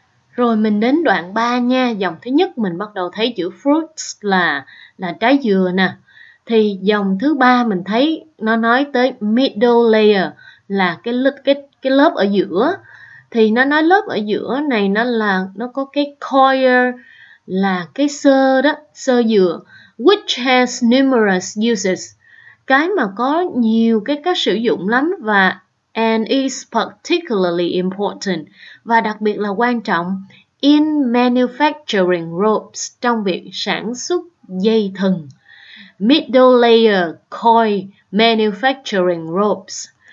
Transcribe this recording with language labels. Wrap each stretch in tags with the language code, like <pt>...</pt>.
<vi>Rồi mình đến đoạn 3 nha, dòng thứ nhất mình bắt đầu thấy chữ fruits là trái dừa nè. Thì dòng thứ 3 mình thấy nó nói tới middle layer là cái lớp ở giữa. Thì nó nói lớp ở giữa này nó có cái coir là cái sơ đó, sơ dừa.</vi> <en>Which has numerous uses.</en> <vi>Cái mà có nhiều cái cách sử dụng lắm và</vi> <en>and is particularly important.</en> <vi>Và đặc biệt là quan trọng</vi> <en>in manufacturing ropes,</en> <vi>trong việc sản xuất dây thừng.</vi> <en>Middle layer coil manufacturing ropes.</en>